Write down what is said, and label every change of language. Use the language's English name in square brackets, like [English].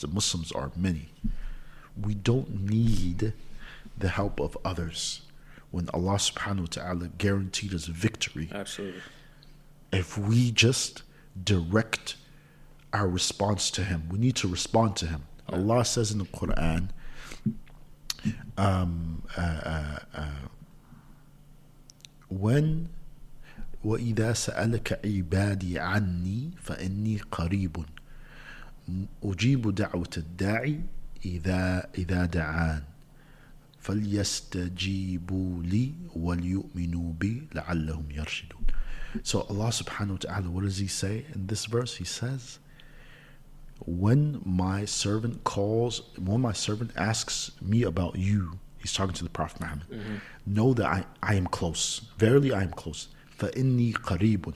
[English] The Muslims are many. We don't need the help of others when Allah subhanahu wa ta'ala guaranteed us victory. Absolutely. If we just direct our response to him, we need to respond to him. Yeah. Allah says in the Quran, when [Arabic] وَإِذَا سَأَلَكَ عِبَادِي عَنِّي فَإِنِّي قَرِيبٌ أُجِيبُ دَعْوَةَ الدَّاعِي إِذَا دَعَانِ فَلْيَسْتَجِيبُوا لِي وَلْيُؤْمِنُوا بِي لَعَلَّهُمْ يَرْشِدُونَ. [English] So Allah subhanahu wa ta'ala, what does he say in this verse? He says, when my servant asks me about you, he's talking to the Prophet Muhammad, mm-hmm. know that I am close. Verily I am close. [Arabic] فَإِنِّي قَرِيبٌ.